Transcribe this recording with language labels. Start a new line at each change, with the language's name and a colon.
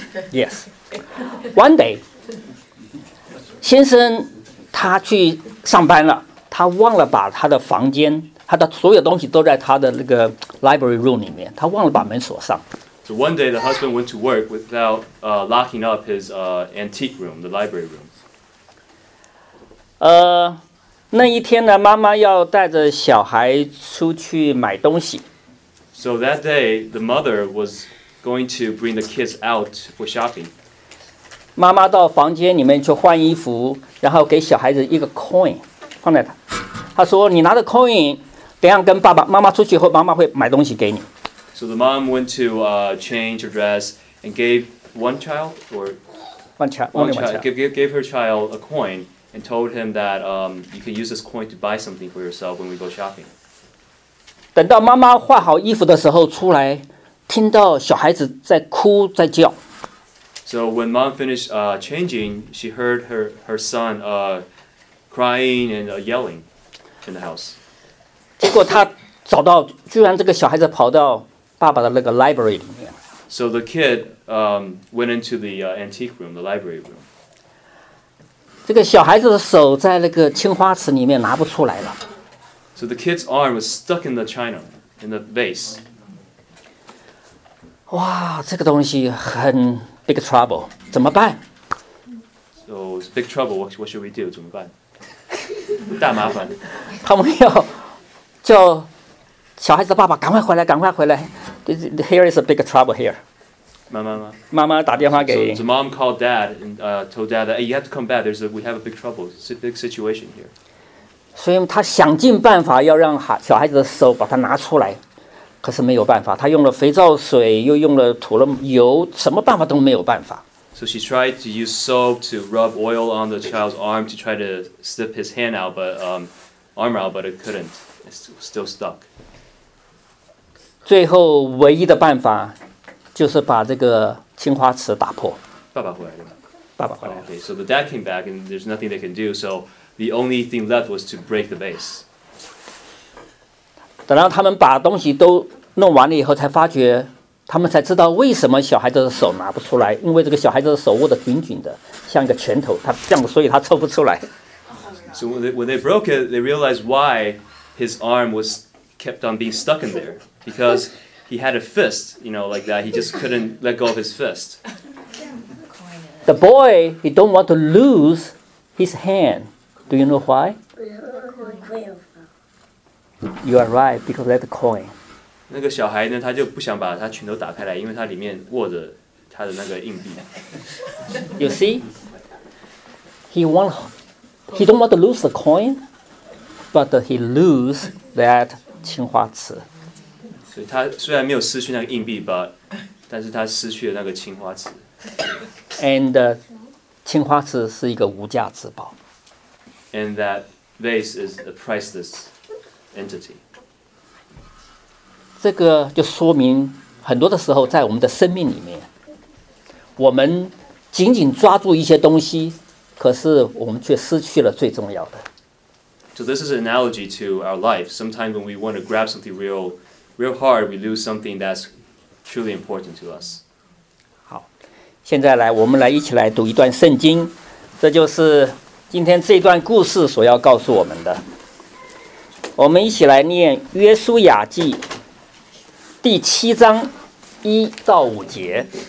English: Yes, one day,
Chinese: 先生他去上班了，他忘了把他的房间，他的所有东西都在他的那个 library room 里面，他忘了把门锁上。
English: So one day, the husband went to work without locking up his antique room, the library room.
Chinese: 那一天呢，妈妈要带着小孩出去买东西。
English: So that day, the mother was going to bring the kids out for shopping.
Chinese: 妈妈到房间里面去换衣服，然后给小孩子一个 coin 放在他。他说：“你拿着 coin， 等一下跟爸爸妈妈出去后，妈妈会买东西给你。”
English: So the mom went to change her dress and gave one child or one child her child a coin. And told him that you can use this coin to buy something for yourself when we go shopping.
Chinese: 等到妈妈换好衣服的时候出来，听到小孩子在哭在叫。
English: So when mom finished changing, she heard her son crying and yelling in the house.
Chinese: 结果他找到，居然这个小孩子跑到爸爸的那个 library 里面。
English: So the kid went into the antique room, the library room.
Chinese: 这个小孩子的手在那个青花瓷里面拿不出来了。
English: So the kid's arm was stuck in the china, in the vase.
Chinese: 哇，这个东西很
English: big trouble,
Chinese: 怎么办？
English: So it's big trouble, what should we do?
Chinese: 怎么办？大麻烦。他们要叫小孩子的爸爸赶快回来，赶快回来。
English: Here is a big trouble here.
Chinese: 妈妈打电话给。
English: So mom called dad and told dad that, hey, you have to come back. We have a big trouble. It's a big situation here.
Chinese: 所以他想尽办法要让小孩子的手把它拿出来，可是没有办法。他用了肥皂水，又用了涂了油，什么办法都没有办法。
English: So she tried to use soap to rub oil on the child's arm to try to slip his hand out, but arm out, but it couldn't. It's still stuck.
Chinese: 最后唯一的办法。就是把这个青花瓷打破。爸爸回来了吗？爸爸回来了。
English: Okay, so the dad came back and there's nothing they can do. So the only thing left was to break the vase.
Chinese: 等到他们把东西都弄完了以后，才发觉，他们才知道为什么小孩子的手拿不出来，因为这个小孩子的手握得紧紧的，像一个拳头，他这样，所以他抽不出来。
English: So when they broke it, they realized why his arm was kept on being stuck in there because. He had a fist, you know, like that. He just couldn't let go of his fist. The boy, he don't want to lose his hand. Do you know why? You are right, because of that coin.
Chinese: 那个小孩呢，他就不想把他拳头打开来，因为他里面握着他的那个硬币。
English: You see? He don't want to lose the coin, but he lose that 青花瓷。
Chinese: 所以他虽然没有失去那个硬币 but 但是他失去了那个青花瓷 and 青花瓷是一个无价之宝
English: and that vase is a priceless entity
Chinese: 这个就说明很多的时候在我们的生命里面我们紧紧抓住一些东西可是我们却失去了最重要的
English: so this is an analogy to our life sometimes when we want to grab something real hard, we lose something that's truly important to us.
Chinese: 好，现在来，我们来一起来读一段圣经，这就是今天这段故事所要告诉我们的。我们一起来念《约书亚记》第七章一到五节。